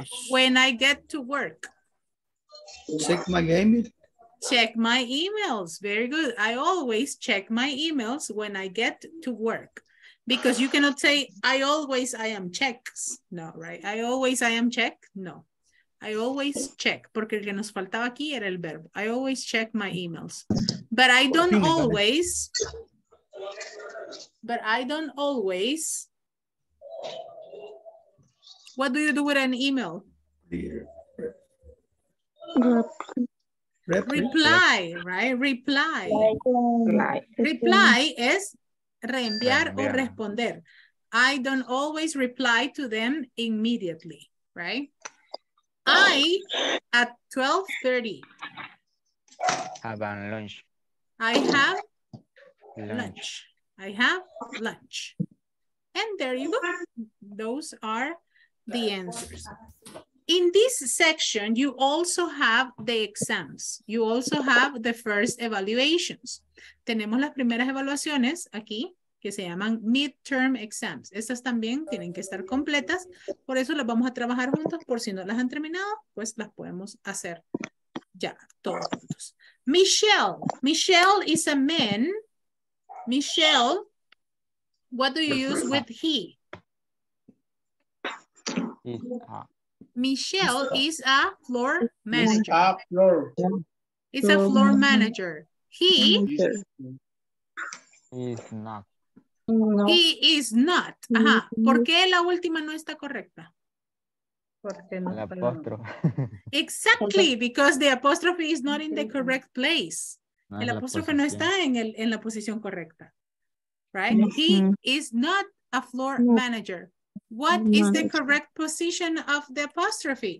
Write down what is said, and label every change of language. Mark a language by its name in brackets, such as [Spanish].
[English] When I get to work. Check my email. Check my emails. Very good. I always check my emails when I get to work. Because you cannot say, I always I am checks. No, right? I always I am check. No. I always check, [Spanish] porque el que nos faltaba aquí era el verbo. [English] I always check my emails. But I don't always, but I don't always. What do you do with an email? Reply, right? Reply. [Spanish] Reply es reenviar o responder. [English] I don't always reply to them immediately, right? I at 12:30. Have a lunch. I have lunch. I have lunch. And there you go. Those are the answers. In this section, you also have the exams. You also have the first evaluations. [Spanish] Tenemos las primeras evaluaciones aquí, que se llaman midterm exams. Estas también tienen que estar completas. Por eso las vamos a trabajar juntos. Por si no las han terminado, pues las podemos hacer ya todos juntos. [English] Michelle. Michelle is a man. Michelle, what do you use with he? Michelle is a floor manager. It's a floor manager. He is not. No. He is not. [Spanish] Ajá. ¿Por qué la última no está correcta? Porque no. El apóstrofe. [English] Exactly, because the apostrophe is not in the correct place. [Spanish] No, el apóstrofe no está en la posición correcta. [English] Right? No. He is not a floor manager. What is the correct position of the apostrophe?